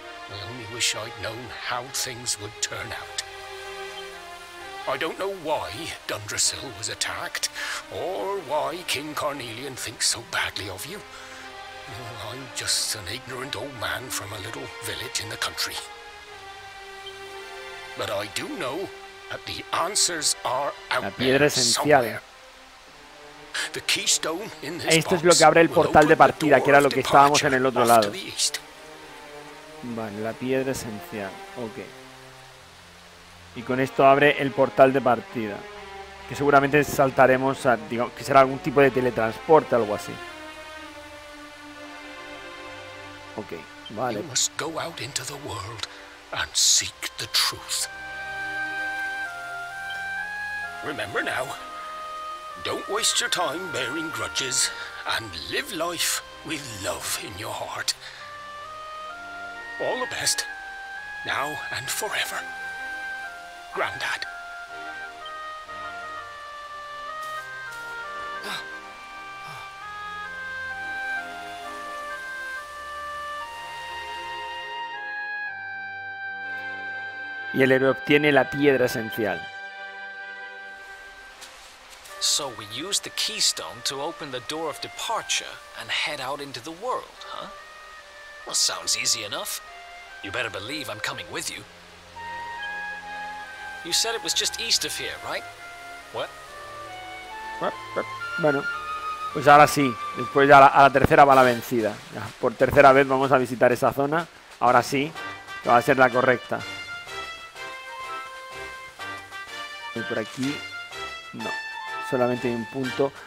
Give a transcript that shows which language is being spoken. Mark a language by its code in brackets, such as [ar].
[en] I only wish I'd known how things would turn out. I don't know why Dundrazil was attacked, or why King Carnelian thinks so badly of you. I'm just an ignorant old man from a little village in the country. But I do know that the answers are out there somewhere. The keystone in this [es] esto es lo que abre el portal de partida, que era lo que estábamos en el otro lado. Vale, la piedra esencial, ok. Y con esto abre el portal de partida, que seguramente saltaremos a, digamos, que será algún tipo de teletransporte, algo así. Ok, vale. [en] You must go out into the world and seek the truth. Remember now, don't waste your time bearing grudges and live life with love in your heart. All the best, now and forever. Granddad. [es] Y el héroe obtiene la piedra esencial. [en] So we use the keystone to open the door of departure and head out into the world, huh? Well, sounds easy enough. You better believe I'm coming with you. You said it was just east of here, right? What? [es] Bueno, pues ahora sí. Después ya a la tercera va la vencida. Ya, por tercera vez vamos a visitar esa zona. Ahora sí, va a ser la correcta. Y por aquí, no. Solamente hay un punto.